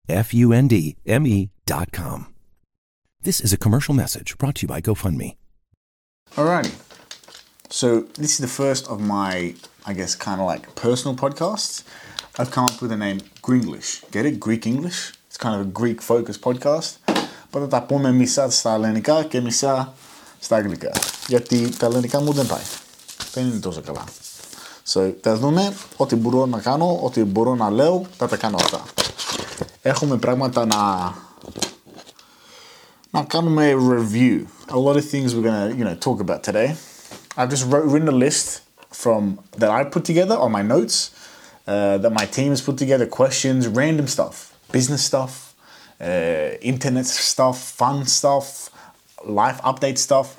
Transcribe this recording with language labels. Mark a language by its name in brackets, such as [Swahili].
[English] GoFundMe.com. This is a commercial message brought to you by GoFundMe. Alrighty. So this is the first of my, I guess, kind of like personal podcasts. I've come up with the name Gringlish. Get it? Greek English. It's kind of a Greek-focused podcast. [Greek] Πρώτα τα πούμε μισά στα ελληνικά και μισά στα αγγλικά. Γιατί τα ελληνικά μου δεν πάει. Δεν είναι τόσο καλά. So, θα δούμε ό,τι μπορώ να κάνω, ό,τι μπορώ να λέω, θα τα κάνω αυτά. Έχουμε πράγματα να κάνουμε review. [English] A lot of things we're going to, you know, talk about today. I've just written a list from that I put together on my notes, that my team has put together, questions, random stuff, business stuff, internet stuff, fun stuff, life update stuff.